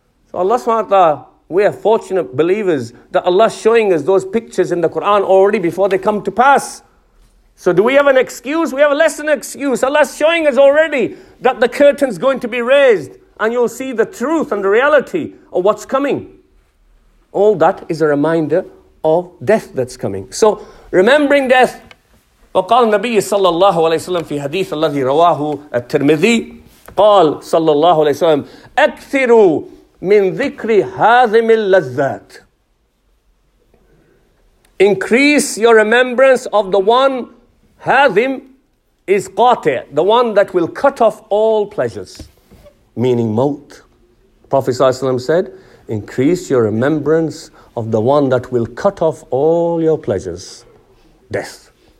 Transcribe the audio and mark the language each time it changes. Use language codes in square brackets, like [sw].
[en] So Allah subhanahu wa ta'ala, we are fortunate believers that Allah is showing us those pictures in the Quran already before they come to pass. So do we have an excuse? We have less than an excuse. Allah's showing us already that the curtain's going to be raised and you'll see the truth and the reality of what's coming. All that is a reminder of death that's coming. So remembering death, [ar] وقال النبي صلى الله عليه وسلم في حديث الذي رواه الترمذي قال صلى الله عليه وسلم أكثروا من ذكر هاذم اللذات. [en] Increase your remembrance of the one. Hadhim is qati, the one that will cut off all pleasures, meaning maut. Prophet ﷺ said, increase your remembrance of the one that will cut off all your pleasures, death.